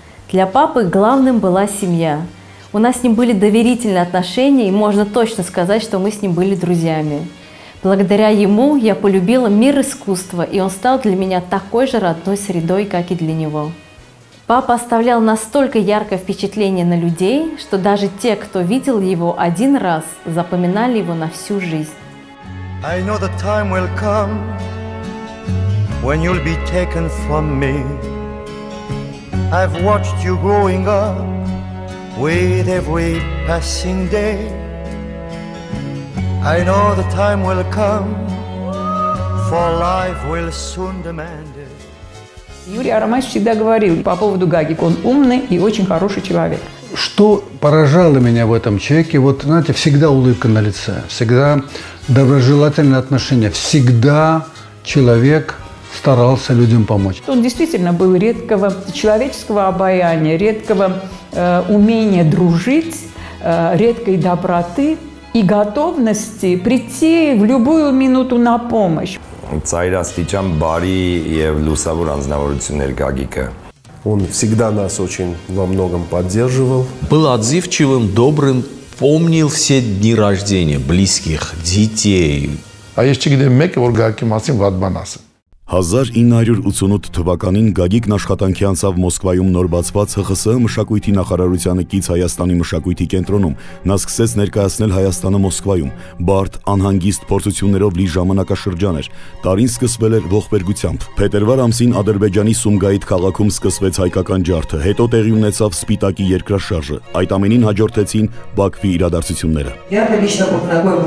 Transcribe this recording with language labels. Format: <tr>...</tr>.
<ru>Для папы главным была семья. У нас с ним были доверительные отношения, и можно точно сказать, что мы с ним были друзьями. Благодаря ему я полюбила мир искусства, и он стал для меня такой же родной средой, как и для него. Папа оставлял настолько яркое впечатление на людей, что даже те, кто видел его один раз, запоминали его на всю жизнь.</ru> <en>I know the time will come, when you'll be taken from me. I've watched you growing up, with every passing day. I know the time will come, for life will soon demand it.</en> <ru>Юрий Арамайс всегда говорил по поводу Гаги, он умный и очень хороший человек. Что поражало меня в этом человеке, вот, знаете, всегда улыбка на лице, всегда доброжелательные отношения, всегда человек старался людям помочь. Он действительно был редкого человеческого обаяния, редкого умения дружить, редкой доброты и готовности прийти в любую минуту на помощь.</ru> <hy>Ծայրաստիճան բարի եւ լուսավոր անձնավորություն էր Գագիկը.</hy> <ru>Он всегда нас очень во многом поддерживал. Был отзывчивым, добрым, помнил все дни рождения близких, детей. А ещё где</ru> <hy>մեկը որ Գագիկի մասին պատմանասը. 1988 թվականին Գագիկն աշխատանքի անցավ Մոսկվայում նոր բացված ՀԽՍՀ մշակույթի նախարարությանը կից Հայաստանի մշակույթի կենտրոնում։ Նա սկսեց ներկայացնել Հայաստանը Մոսկվայում։ Բարդ, անհանգիստ փորձություններով լի ժամանակաշրջան էր։ Տարին սկսվել էր ողբերգությամբ։ Փետրվար ամսին Ադրբեջանի Սումգայիթ քաղաքում սկսվեց հայկական ջարդը, հետո տեղի ունեցավ Սպիտակի երկրաշարժը։ Այդ ամենին հաջորդեցին Բաքվի իրադարձությունները։</hy>